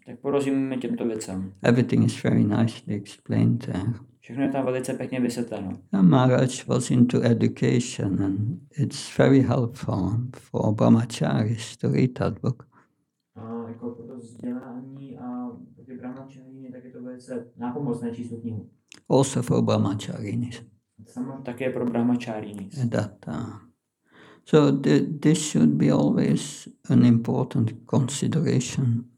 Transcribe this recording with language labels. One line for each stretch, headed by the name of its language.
Czech: Tak porozumíme těmto věcem.
English: Everything is very nicely explained there.
Czech: Všechno je tam velice pěkně vysvětleno.
English: Maharaj was into education and it's very helpful for brahmacharis to read that book.
Czech: A jako pro to vzdělání a pro brahmacharini, tak je to velice nápomocné číst knihu.
English: Also for brahmacharinis.
Czech: Také pro brahmacharinis.
English: That, so this should be always an important consideration.